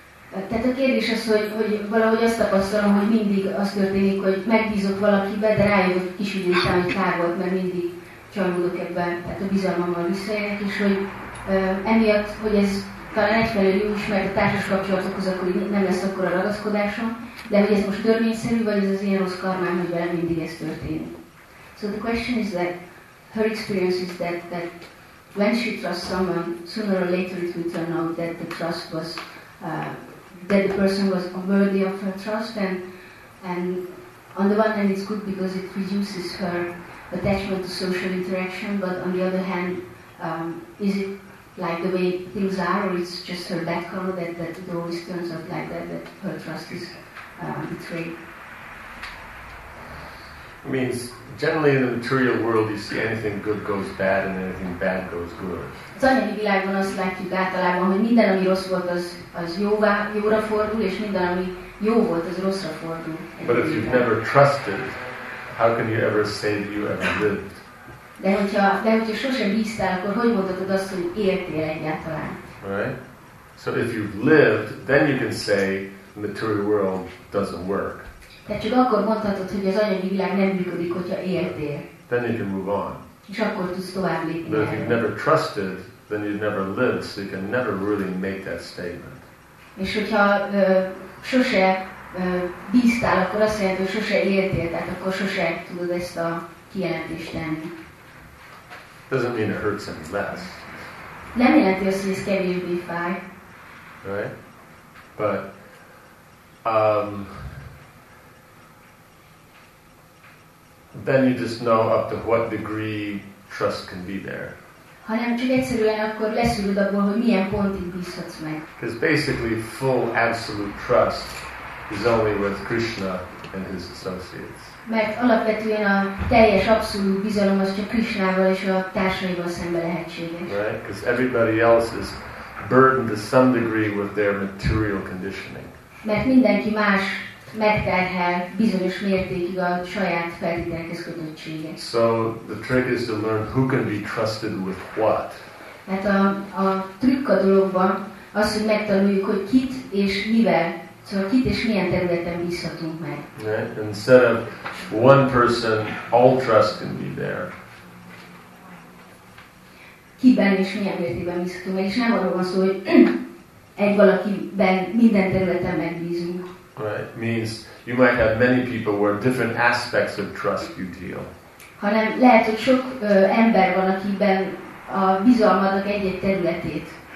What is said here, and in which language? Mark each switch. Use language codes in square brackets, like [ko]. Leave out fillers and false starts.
[hu] Tehát a kérdés az, hogy valahogy azt tapasztalom, hogy mindig az történik, hogy megbízok valakibe, de rájön kis idő után, hogy kár volt, mert mindig csalódok ebben, tehát a bizalmammal visszajönnek, és hogy emiatt, hogy ez talán egyfelől jó is, mert a társas kapcsolatokhoz akkor nem lesz akkora ragaszkodásom, de hogy ez most törvényszerű, vagy ez az én rossz karmám, hogy velem mindig ez történik. [en] So the question is that her experience is that when she trusts someone, sooner or later it will turn out that the trust was that the person was unworthy of her trust, and on the one hand it's good because it reduces her attachment to social interaction, but on the other hand, is it like the way things are, or it's just her bad karma that it always turns out like that her trust is betrayed? I mean, generally in the material world you see anything good goes bad and anything bad goes good. [hu] Az anyagi világban azt látjuk általában, hogy minden, ami rossz volt, az jóra fordul, és minden, ami jó volt, az rosszra fordul. [en] But if you've never trusted, how can you ever say that you ever lived? [hu] De hogyha sosem bíztál, akkor hogy mondhatod azt, hogy éltél egyáltalán? [en] Right? So if you've lived, then you can say the material world doesn't work. [hu] De csak akkor mondhatod, hogy az anyagi világ nem működik, hogyha éltél. [en] Then you can move on. [hu] És akkor tudsz tovább lépni. [en] But if you've never trusted, then you've never lived, so you can never really make that statement. [hu] És hogyha sose bíztál, akkor azt jelenti, hogy sose éltél, tehát akkor sose tudod ezt a kijelentést tenni. [en] Doesn't mean it hurts any less. [hu] Nem jelenti azt, hogy ez kevésbé fáj. [en] Right? But then you just know up to what degree trust can be there. [hu] Hanem csak egyszerűen akkor leszűröd abból, hogy milyen pontig bízhatsz meg. [en] Because basically full absolute trust is only with Krishna and his associates. [hu] Mert alapvetően a teljes abszolút bizalom az csak Krishnával és a társaival szemben lehetséges. [en] Right? Because everybody else is burdened to some degree with their material conditioning. [hu] Mert mindenki más megterhel bizonyos mértékig a saját feltételkezkötöttségét. [en] So the trick is to learn who can be trusted with what. [hu] Hát a trükk a dologban az, hogy megtanuljuk, hogy kit és mivel, szóval kit és milyen területen bízhatunk meg. [en] Right? Instead of one person, all trust can be there. [hu] Kiben és milyen mértékben bízhatunk meg, és nem arról van szó, hogy egy valakiben minden területen megbízunk. [en] Right, means you might have many people where different aspects of trust you deal. [hu] Hanem lehet, hogy sok ember van, akiben a bizalmadnak egy-egy területét.